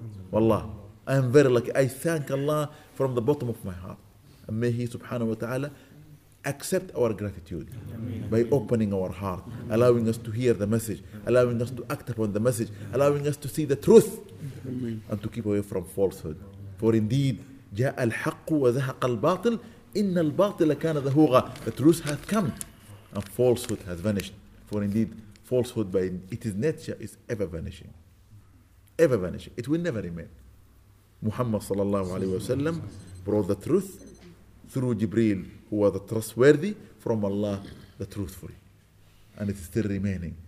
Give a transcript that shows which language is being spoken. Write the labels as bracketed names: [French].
[English] Wallah, I am very lucky. I thank Allah from the bottom of my heart. And may He subhanahu wa ta'ala accept our gratitude by opening our heart, allowing us to hear the message, allowing us to act upon the message, allowing us to see the truth and to keep away from falsehood. For indeed, [Arabic] جاء الحق وزهق الباطل إن الباطل كان ذهوغا. [English] The truth has come and falsehood has vanished. For indeed, falsehood by its nature is ever vanishing. Ever vanish. It will never remain. Muhammad sallallahu alayhi wa sallam brought the truth through Jibreel, who was the trustworthy from Allah, the truthful. And it's still remaining.